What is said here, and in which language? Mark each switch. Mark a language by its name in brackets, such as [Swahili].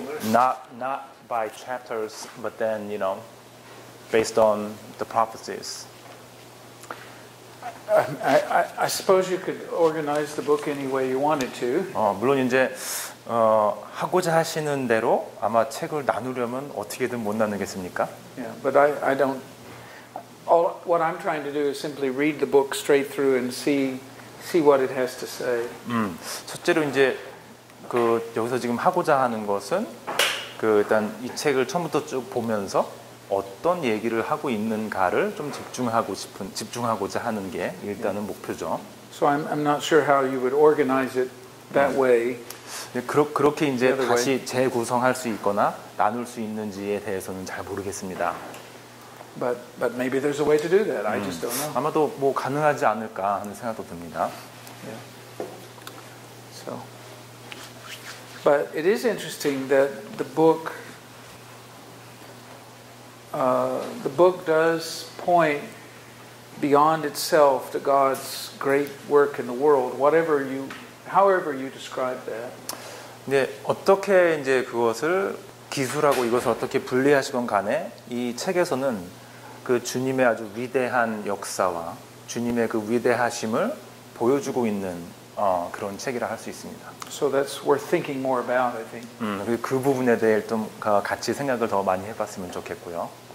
[English] Not by chapters, but then, you know, based on the prophecies. I suppose you could organize the book any way you wanted to. [Korean] 물론 이제 하고자 하시는 대로 아마 책을 나누려면 어떻게든 못 나누겠습니까? [English] Yeah, but I don't. All what I'm trying to do is simply read the book straight through and see what it has to say. [Korean] 첫째로 이제 그 여기서 지금 하고자 하는 것은 그 일단 이 책을 처음부터 쭉 보면서. 어떤 얘기를 하고 있는가를 좀 집중하고자 하는 게 일단은 목표죠. [English] So I'm not sure how you would organize it that way. [Korean] 그렇게 이제 다시 재구성할 수 있거나 나눌 수 있는지에 대해서는 잘 모르겠습니다. [English] But maybe there's a way to do that. I just don't know. [Korean] 아마도 뭐 가능하지 않을까 하는 생각도 듭니다. [English] Yeah. So, but it is interesting that the book does point beyond itself to God's great work in the world. Whatever you, however you describe that. [Korean] 네, 어떻게 이제 그것을 기술하고 이것을 어떻게 분리하시건 간에 이 책에서는 그 주님의 아주 위대한 역사와 주님의 그 위대하심을 보여주고 있는 그런 책이라 할 수 있습니다. [English] So that's worth thinking more about, I think. [Korean] 그 부분에 대해 좀 같이 생각을 더 많이 해봤으면 좋겠고요.